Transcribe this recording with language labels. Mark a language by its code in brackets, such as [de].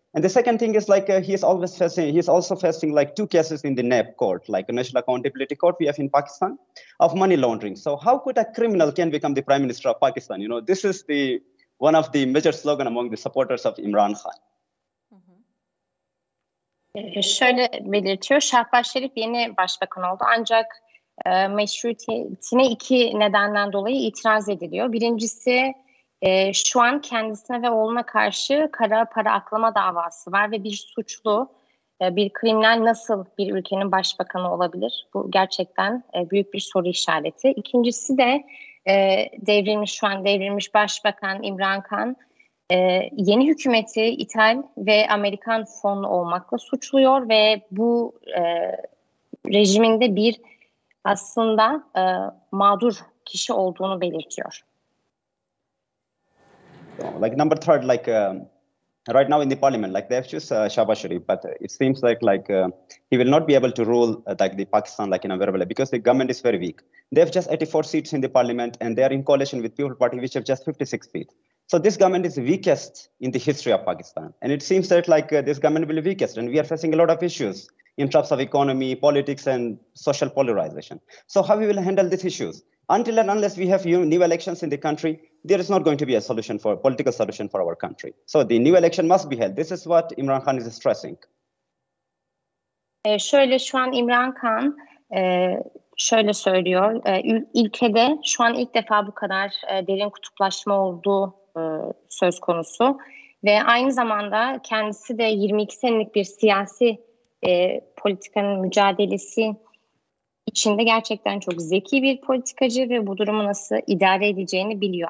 [en] And the second thing is like he's also facing like two cases in the NAB court, like the National Accountability Court we have in Pakistan, of money laundering. So how could a criminal can become the prime minister of Pakistan? You know, this is the one of the major slogan among the supporters of Imran Khan. [tr] Şöyle belirtiyor, Şahbaz Şerif yeni başbakan oldu ancak meşrutiyetine iki nedenden dolayı itiraz ediliyor. Birincisi şu an kendisine ve oğluna karşı kara para aklama davası var ve bir suçlu, bir kriminal nasıl bir ülkenin başbakanı olabilir? Bu gerçekten büyük bir soru işareti. İkincisi de devrilmiş başbakan İmran Khan. Yeni hükümeti ithal ve Amerikan fonlu olmakla suçluyor ve bu rejiminde bir aslında mağdur kişi olduğunu belirtiyor. [en] Like number third, like right now in the parliament, like they have chosen Shahbaz Sharif, but it seems like he will not be able to rule like the Pakistan like in a verbal because the government is very weak. They have just 84 seats in the parliament and they are in coalition with People Party, which have just 56 seats. So this government is weakest in the history of Pakistan. And it seems that like this government will be weakest. And we are facing a lot of issues in terms of economy, politics, and social polarization. So how we will handle these issues? Until and unless we have new elections in the country, there is not going to be a solution for political solution for our country. So the new election must be held. This is what Imran Khan is stressing. [tr] Şöyle şu an İmran Khan şöyle söylüyor. Ülkede şu an ilk defa bu kadar derin kutuplaşma olduğu söz konusu ve aynı zamanda kendisi de 22 senelik bir siyasi politikanın mücadelesi içinde gerçekten çok zeki bir politikacı ve bu durumu nasıl idare edeceğini biliyor.